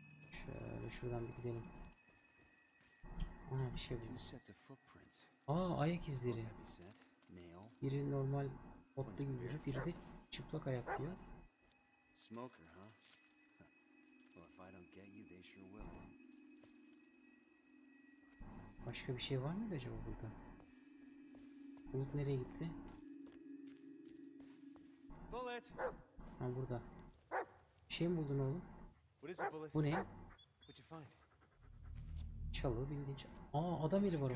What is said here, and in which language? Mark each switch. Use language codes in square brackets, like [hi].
[tr] Şöyle şuradan bir gidelim. Aha, bir şey buldum. Aa, ayak izleri. Biri normal otlu gibi yürüyor, biri de çıplak ayak diyor. [en] Smoker, huh? Well, if I don't get you, they sure will. [tr] Başka bir şey var mı acaba burada? Bulut nereye gitti? [en] Bullet. [tr] Ha, burada. Bir şey mi buldun oğlum? [en] What is it, Bullet? [tr] Bu ne? [en] What you find? [tr] Çalı, bildiğin çalı. Aa, adam eli var orada.